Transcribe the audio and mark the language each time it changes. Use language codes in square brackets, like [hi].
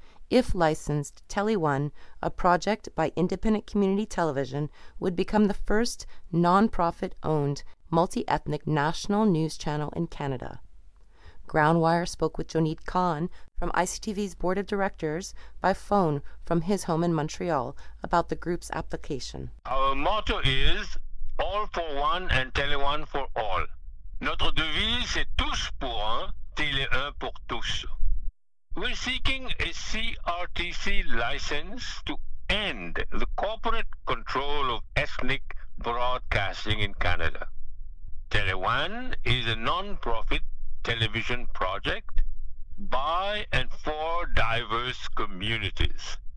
[en] If licensed, TeleOne, a project by Independent Community Television, would become the first nonprofit-owned multi-ethnic national news channel in Canada. Groundwire spoke with Joneet Khan from ICTV's board of directors by phone from his home in Montreal about the group's application. Our motto is all for one and Télé One for all. [fr] Notre devise est tous pour un, Télé Un pour tous. [en] We're seeking a CRTC license to end the corporate control of ethnic broadcasting in Canada. Télé One is a non-profit television project by and for diverse communities.